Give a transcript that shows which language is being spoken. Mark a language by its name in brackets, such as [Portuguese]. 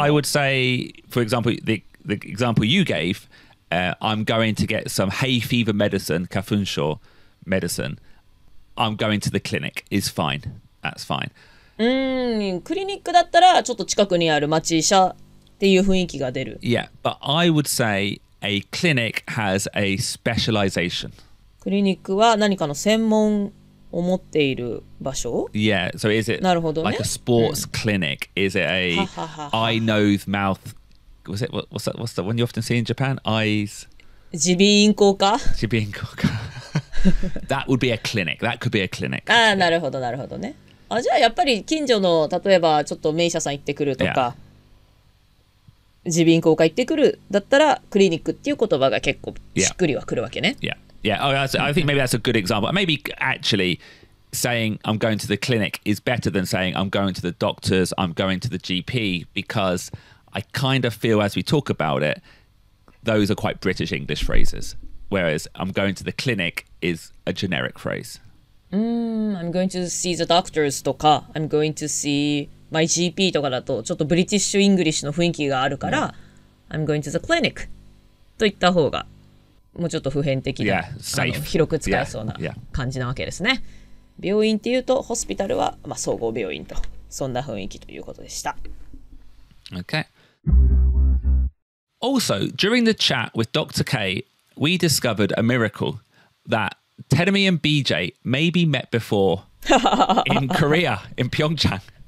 [English] I would say, for example, the example you gave,、I'm going to get some hay fever medicine, 花粉症 medicine. I'm going to the clinic. It's fine. That's fine. [Japanese] クリニックだったらちょっと近くにある町医者っていう雰囲気が出る。 [English] Yeah, but I would say a clinic has a specialization. [Japanese] クリニックは何かの専門を持っている場所? [English] Yeah, so is it、 [Japanese] ね、 [English] like a sports clinic?、うん、is it a eye, nose, mouth? Was it, what's the one you often see in Japan? Eyes? [Japanese] 耳鼻咽喉科? [English] 耳鼻咽喉科。That would be a clinic. That could be a clinic. [Japanese] ああ、なるほど、なるほどね。あ、じゃあやっぱり近所の、例えばちょっと名医者さん行ってくるとか、耳鼻咽喉科行ってくるだったら、クリニックっていう言葉が結構しっくりはくるわけね。 [English] Yeah. Yeah, I think maybe that's a good example. Maybe actually saying I'm going to the clinic is better than saying I'm going to the doctors, I'm going to the GP, because I kind of feel as we talk about it, those are quite British English phrases. Whereas I'm going to the clinic is a generic phrase. I'm going to see the doctors [Japanese] とか [English] I'm going to see my GP [Japanese] とかだとちょっとブリティッシュイングリッシュの雰囲気があるから、yeah. [English] I'm going to the clinic [Japanese] と言った方がもうちょっと普遍的で、 [English] yeah, [Japanese] 広く使えそうな感じなわけですね。 [English] Yeah, [Japanese] yeah. 病院っていうと、ホスピタルは、まあ、総合病院と、そんな雰囲気ということでした。 [English] Okay. Also, during the chat with Dr. K, we discovered a miracle that Tenmi and BJ maybe met before in Korea, in Pyeongchang.